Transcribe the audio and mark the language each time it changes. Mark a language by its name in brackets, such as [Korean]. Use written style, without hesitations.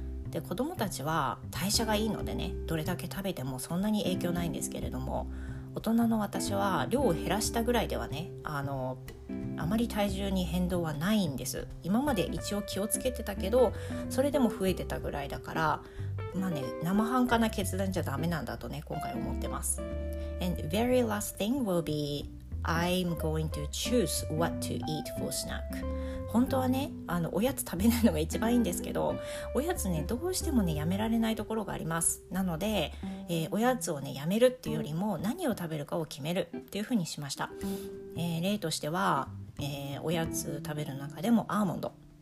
[Japanese] で、子供たちは代謝がいいのでね、どれだけ食べてもそんなに影響ないんですけれども、大人の私は量を減らしたぐらいではね、あまり体重に変動はないんです。今まで一応気をつけてたけど、それでも増えてたぐらいだから、まあね、生半可な決断じゃダメなんだとね今回思ってます。 [English] And very last thing will beI'm going to choose what to eat for snack. [Japanese] 本当はね、おやつ食べないのが一番いいんですけど、おやつね、どうしてもね、やめられないところがあります。なので、おやつをね、やめるっていうよりも、何を食べるかを決めるっていうふうにしました。例としては、おやつ食べる中でもアーモンド。